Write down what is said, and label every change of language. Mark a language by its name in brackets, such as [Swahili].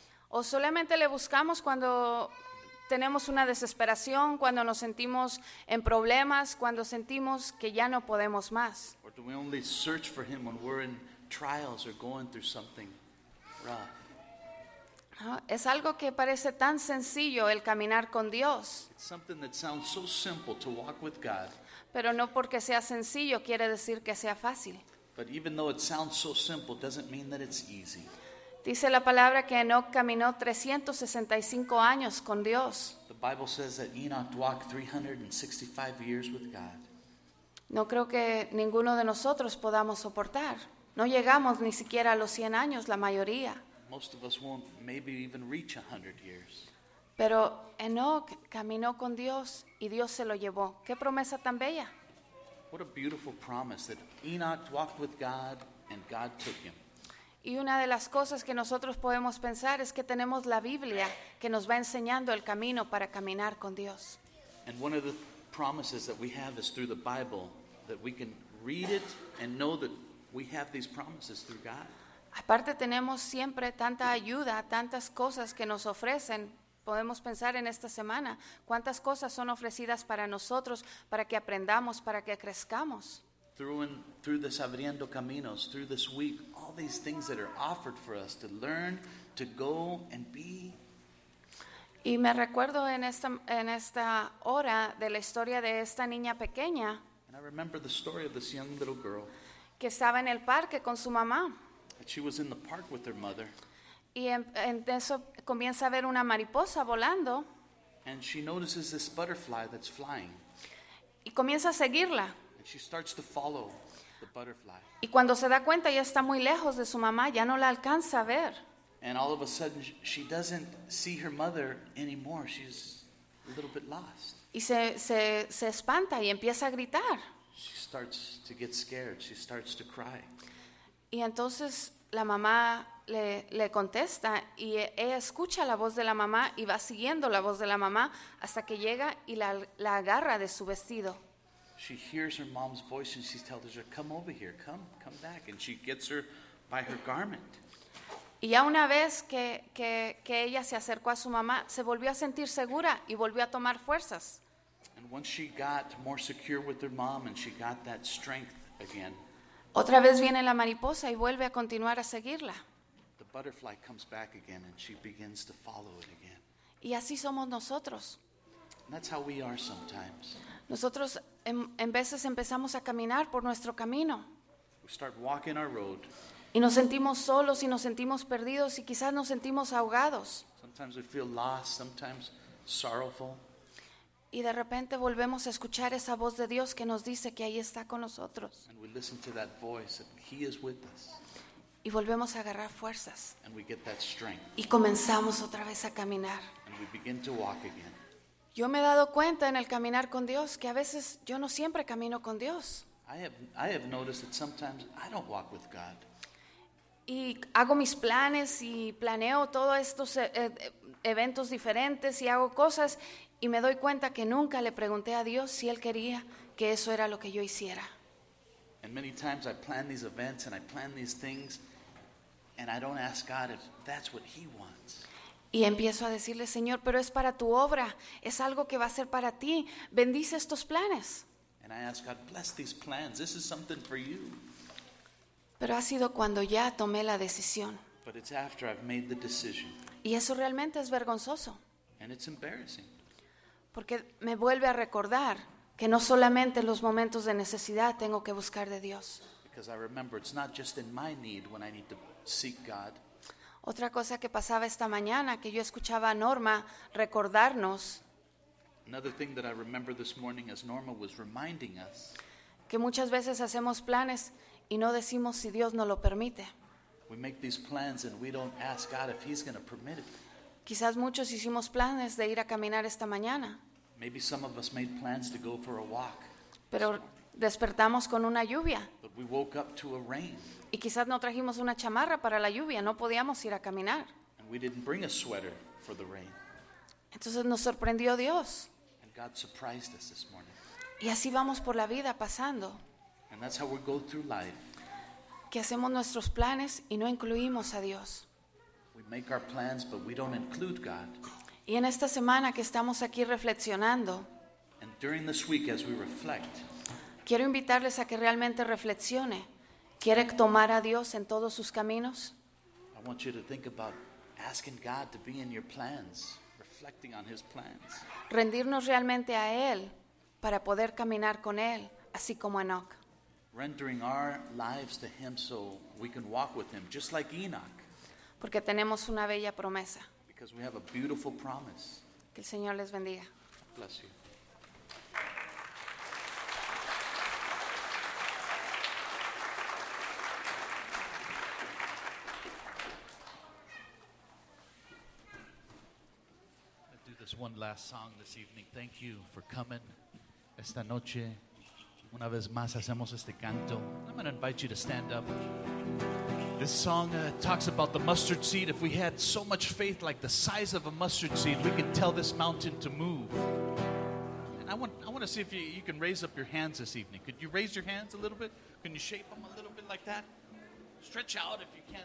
[Spanish] ¿O solamente le buscamos cuando tenemos una desesperación, cuando nos sentimos en problemas, cuando sentimos que ya no podemos más? [English] Or do we only search for him when we're in trials or going through something rough? [Spanish] Es algo que parece tan sencillo el caminar con Dios. [English] It's something that sounds so simple to walk with God. [Spanish] Pero no porque sea sencillo quiere decir que sea fácil. [English] But even though it sounds so simple, doesn't mean that it's easy. [Spanish] Dice la palabra que Enoch caminó 365 años con Dios. [English] The Bible says that Enoch walked 365 years with God. [Spanish] No creo que ninguno de nosotros podamos soportar. No llegamos ni siquiera a los 100 años, la mayoría. [English] Most of us won't maybe even reach 100 years. [Spanish] Pero Enoch caminó con Dios y Dios se lo llevó. ¡Qué promesa tan bella! [English] What a beautiful promise that Enoch walked with God and God took him. [Spanish] Y una de las cosas que nosotros podemos pensar es que tenemos la Biblia que nos va enseñando el camino para caminar con Dios. [English] And one of the promises that we have is through the Bible, that we can read it and know that we have these promises through God. [Spanish] Aparte tenemos siempre tanta ayuda, tantas cosas que nos ofrecen. Podemos pensar en esta semana, ¿cuántas cosas son ofrecidas para nosotros, para que aprendamos, para que crezcamos? [English] Through this Abriendo Caminos, through this week, all these things that are offered for us to learn, to go and be. [Spanish] Y me recuerdo en esta hora de la historia de esta niña pequeña. [English] And I remember the story of this young little girl. [Spanish] Que estaba en el parque con su mamá. [English] And she was in the park with her mother. [Spanish] Y en eso comienza a ver una mariposa volando. [English] And she notices this butterfly that's flying. [Spanish] Y comienza a seguirla. [English] And she starts to follow the butterfly. [Spanish] Y cuando se da cuenta ya está muy lejos de su mamá, ya no la alcanza a ver. [English] And all of a sudden she doesn't see her mother anymore. She's a little bit lost. [Spanish] Y se espanta y empieza a gritar. [English] She starts to get scared. She starts to cry. [Spanish] Y entonces la mamá le contesta y ella escucha la voz de la mamá y va siguiendo la voz de la mamá hasta que llega y la agarra de su vestido. [English] She hears her mom's voice and she tells her, come over here, come back. And she gets her by her garment. [Spanish] Y ya una vez que ella se acercó a su mamá, se volvió a sentir segura y volvió a tomar fuerzas. [English] And once she got more secure with her mom and she got that strength again, [Spanish] otra vez viene la mariposa y vuelve a continuar a seguirla. [English] The butterfly comes back again and she begins to follow it again. [Spanish] Y así somos nosotros. [English] And that's how we are sometimes. [Spanish] Nosotros en veces empezamos a caminar por nuestro camino. [English] We start walking our road. [Spanish] Y nos sentimos solos y nos sentimos perdidos y quizás nos sentimos ahogados. [English] Sometimes we feel lost, sometimes sorrowful. [Spanish] Y de repente volvemos a escuchar esa voz de Dios que nos dice que ahí está con nosotros. [English] And we listen to that voice that he is with us. [Spanish] Y volvemos a agarrar fuerzas. [English] And we get that strength. [Spanish] Y comenzamos otra vez a caminar. [English] And we begin to walk again. [Spanish] Yo me he dado cuenta en el caminar con Dios que a veces yo no siempre camino con Dios. [English] I have noticed that sometimes I don't walk with God. [Spanish] Y hago mis planes y planeo todos estos eventos diferentes y hago cosas. Y me doy cuenta que nunca le pregunté a Dios si Él quería que eso era lo que yo hiciera. [English] And many times I plan these events and I plan these things and I don't ask God if that's what He wants. [Spanish] Y empiezo a decirle, Señor, pero es para tu obra. Es algo que va a ser para ti. Bendice estos planes. [English] And I ask God, bless these plans. This is something for you. [Spanish] Pero ha sido cuando ya tomé la decisión. [English] But it's after I've made the decision. [Spanish] Y eso realmente es vergonzoso. [English] And it's embarrassing. [Spanish] Porque me vuelve a recordar que no solamente en los momentos de necesidad tengo que buscar de Dios. [English] Because I remember it's not just in my need when I need to seek God. [Spanish] Otra cosa que pasaba esta mañana que yo escuchaba a Norma recordarnos. [English] Another thing that I remember this morning as Norma was reminding us. [Spanish] Que muchas veces hacemos planes y no decimos si Dios nos lo permite. [English] We make these plans and we don't ask God if He's going to permit it. [Spanish] Quizás muchos hicimos planes de ir a caminar esta mañana. [English] Maybe some of us made plans to go for a walk. [Spanish] Pero despertamos con una lluvia. [English] But we woke up to a rain. [Spanish] Y quizás no trajimos una chamarra para la lluvia, no podíamos ir a caminar. [English] And we didn't bring a sweater for the rain. [Spanish] Entonces nos sorprendió Dios. [English] And God surprised us this morning. [Spanish] Y así vamos por la vida pasando. [English] And that's how we go through life. [Spanish] Que hacemos nuestros planes y no incluimos a Dios. [English] We make our plans, but we don't include God. [Spanish] Y en esta semana que estamos aquí reflexionando, [English] and during this week as we reflect, [Spanish] quiero invitarles a que realmente reflexione. ¿Quiere tomar a Dios en todos sus caminos? [English] I want you to think about asking God to be in your plans, reflecting on His plans. [Spanish] Rendirnos realmente a Él para poder caminar con Él, así como Enoch. [English] rendering our lives to him so we can walk with him, just like Enoch. [Spanish] Porque tenemos una bella promesa. [English] Because we have a beautiful promise. [Spanish] Que el Señor les bendiga. [English] Bless you. Let's do this one last song this evening. Thank you for coming [Spanish] esta noche. Una vez más hacemos este canto. [English] I'm going to invite you to stand up. This song talks about the mustard seed. If we had so much faith like the size of a mustard seed, we could tell this mountain to move. And I want to see if you can raise up your hands this evening. Could you raise your hands a little bit? Can you shape them a little bit like that? Stretch out if you can.